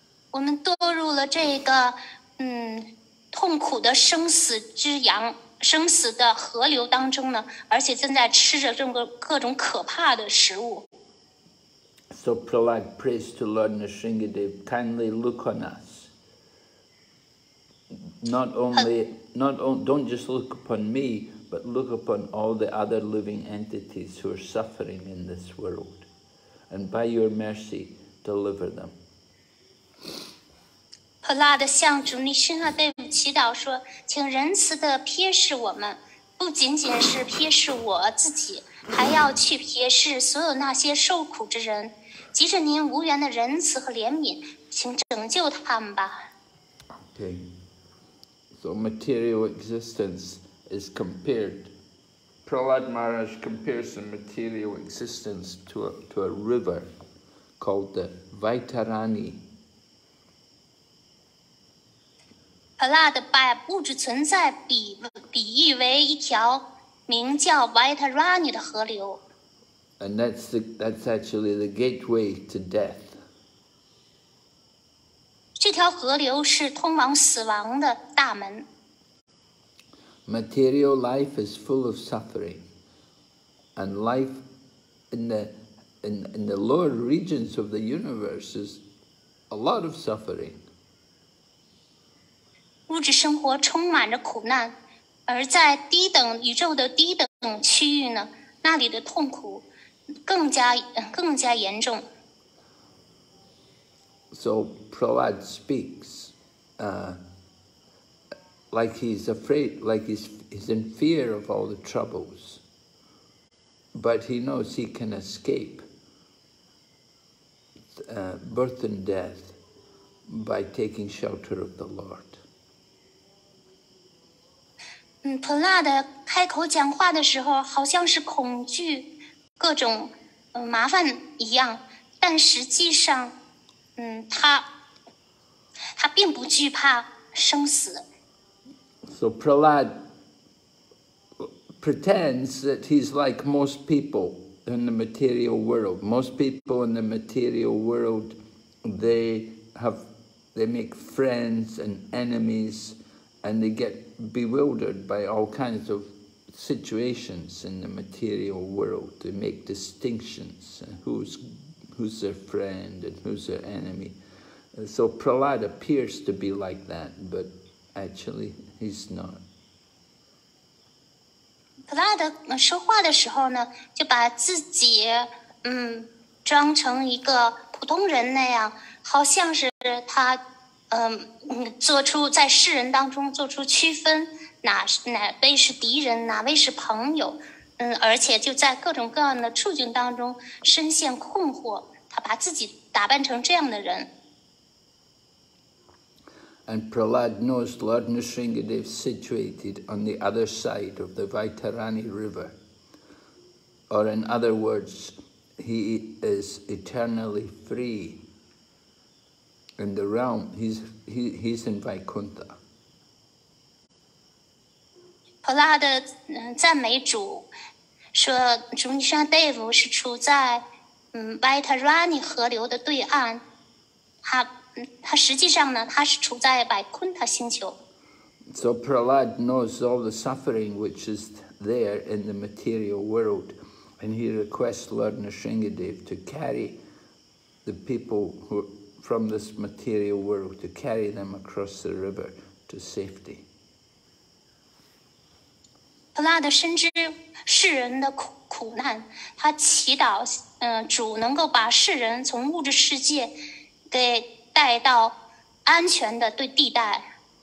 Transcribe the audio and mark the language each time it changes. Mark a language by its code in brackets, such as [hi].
[zh] 我们堕入了这个痛苦的生死之洋，生死的河流当中呢，而且正在吃着这个各种可怕的食物。 [en] So Prahlad prays to Lord Nrisingadev, kindly look on us. Don't just look upon me, but look upon all the other living entities who are suffering in this world, and by your mercy, deliver them. [zh] Prahlad 向主尼辛哈德夫祈祷说：“请仁慈的瞥视我们，不仅仅是瞥视我自己，还要去瞥视所有那些受苦之人。即使您无缘的仁慈和怜悯，请拯救他们吧。” [en] Okay. So material existence is compared. Prahlad Maharaj compares the material existence to a river called the Vaitarani. [zh] Prahlad 把物质存在比喻为一条名叫 Vaitarani 的河流。 [en] And that's actually the gateway to death. [zh] 这条河流是通往死亡的大门。 [en] Material life is full of suffering, and life in the lower regions of the universe is a lot of suffering. [zh] 物质生活充满着苦难，而在低等宇宙的低等区域呢，那里的痛苦更加严重。 [en] So Prahlad speaks, like he's afraid, like he's in fear of all the troubles, but he knows he can escape birth and death by taking shelter of the Lord. [zh] Prahlad 开口讲话的时候好像是恐惧各种麻烦一样，但实际上他并不惧怕生死。 [en] So Prahlad pretends that he's like most people in the material world. Most people in the material world, they make friends and enemies, and they get bewildered by all kinds of situations in the material world. They make distinctions, who's their friend and who's their enemy. So Prahlad appears to be like that, but actually,He's not. [zh] Prahlad 说话的时候呢，就把自己装成一个普通人那样，好像是他做出在世人当中做出区分，哪位是敌人，哪位是朋友，而且就在各种各样的处境当中深陷困惑，他把自己打扮成这样的人。 [en] And Prahlad knows Lord Nrisingadev situated on the other side of the Vaitarani River. Or in other words, he is eternally free in the realm. He's in Vaikuntha. [zh] Prahlad 赞美主，说主尼沙德夫是处在Vaitarani 河流的对岸，他实际上呢，他是处在百昆塔星球。 [en] So Prahlad knows all the suffering which is there in the material world, and he requests Lord Nrisingadev to carry the people who, from this material world, to carry them across the river to safety. [zh] Prahlad 深知世人的苦难，他祈祷，主能够把世人从物质世界给带到安全的对地带。